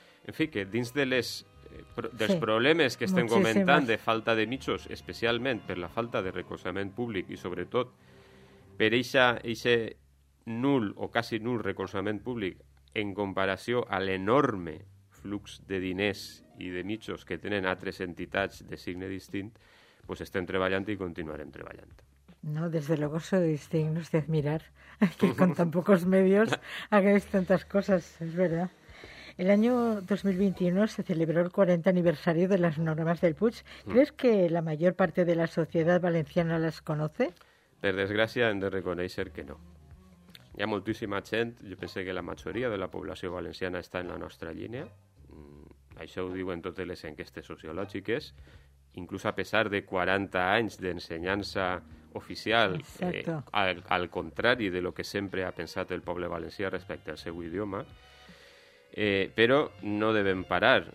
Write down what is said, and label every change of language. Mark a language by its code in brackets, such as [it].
[ca] En fi, que dins de les, dels problemes que estem comentant de falta de mitjos, especialment per la falta de recolzament públic i sobretot per eixe nul o quasi nul recolzament públic en comparació a l'enorme flux de diners i de mitjos que tenen altres entitats de signe distint, pues estem treballant i continuarem treballant. [es] No, desde luego soy digno de admirar que con tan pocos medios hagáis tantas cosas, es verdad. El año 2021 se celebró el 40 aniversario de las normas del Puig. ¿Crees que la mayor parte de la sociedad valenciana las conoce? [ca] Per desgràcia, hem de reconèixer que no. Hi ha moltíssima gent, jo pense que la majoria de la població valenciana està en la nostra línia. Això ho diuen totes les enquestes sociològiques. Inclús a pesar de 40 anys d'ensenyança oficial, al contrari de lo que sempre ha pensat el poble valencià respecte al seu idioma, però no devem parar.